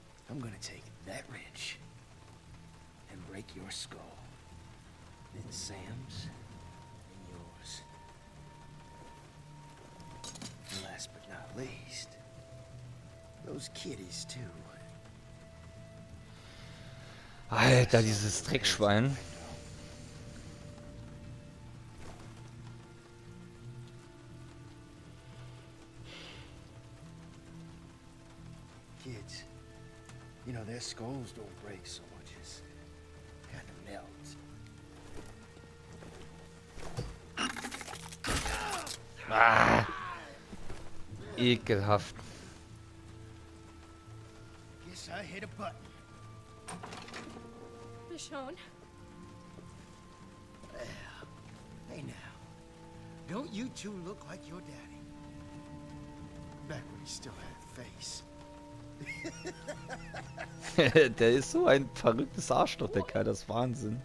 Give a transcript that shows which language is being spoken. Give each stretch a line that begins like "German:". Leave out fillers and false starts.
English: I'm gonna take that wrench and break your skull. Then Sam's and yours. And last but not least, those kitties too.
German: Alter, dieses Dreckschwein.
English: Kids, you know, their skulls don't break so much as kind of melt.
German: Ah. Ekelhaft.
English: Guess I hit a button. Michonne. Well, hey now. Don't you two look like your daddy? Back when he still had a face.
German: Der ist so ein verrücktes Arschloch, der Kerl, das ist Wahnsinn.